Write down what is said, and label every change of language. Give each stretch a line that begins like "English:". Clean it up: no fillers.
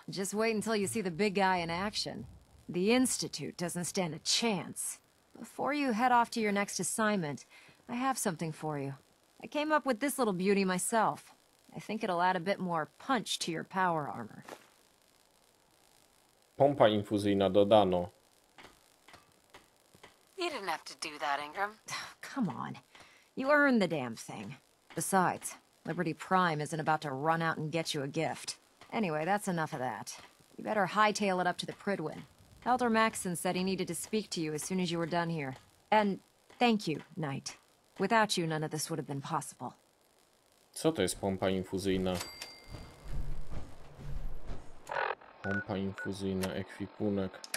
English: Just wait until you see the big guy in action. The Institute doesn't stand a chance. Before you head off to your next assignment, I have something for you. I came up with this little beauty myself. I think it'll add a bit more punch to your power armor.
Polish: Pompa infuzyjna dodano.
English: You didn't have to do that, Ingram. Come on. You earned the damn thing. Besides, Liberty Prime isn't about to run out and get you a gift. Anyway, that's enough of that. You better hightail it up to the Pridwin. Elder Maxson said he needed to speak to you as soon as you were done here. And thank you, Knight. Without you, none of this would have been possible.
Polish: Co to jest pompa infuzyjna? Pompa infuzyjna, ekwipunek.